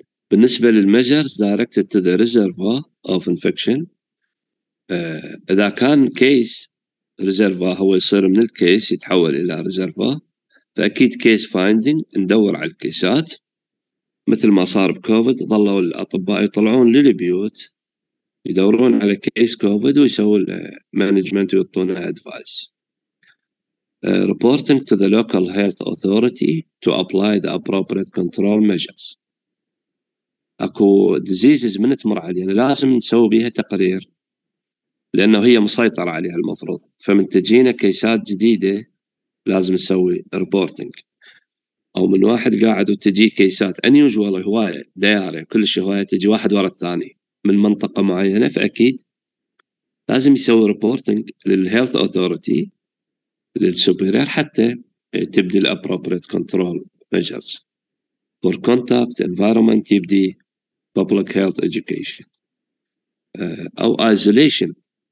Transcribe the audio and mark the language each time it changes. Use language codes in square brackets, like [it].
[ar] بالنسبة لل [en] measures directed to the reservoir of infection, [ar] إذا كان case reservoir هو يصير من الكيس يتحول إلى reservoir, فأكيد case finding ندور على الكيسات مثل ما صار بكوفيد. ظلوا الأطباء يطلعون للبيوت يدورون على case كوفيد ويسووا management ويطلعون advice. [en] Reporting to the local health authority to apply the appropriate control measures. [ar] أكو diseases من تمر علينا لازم نسوي بيها تقرير لأنه هي مسيطرة عليها المفروض, فمن تجينا كيسات جديدة لازم نسوي reporting. أو من واحد قاعد وتجي كيسات unusual هواية دياري كل شيء هواية تجي واحد وراء الثاني من منطقة معينة, فأكيد لازم يسوي reporting للhealth authority للsuperior حتى تبدي [en] appropriate control measures for contact environment, [ar] يبدي public health education أو isolation.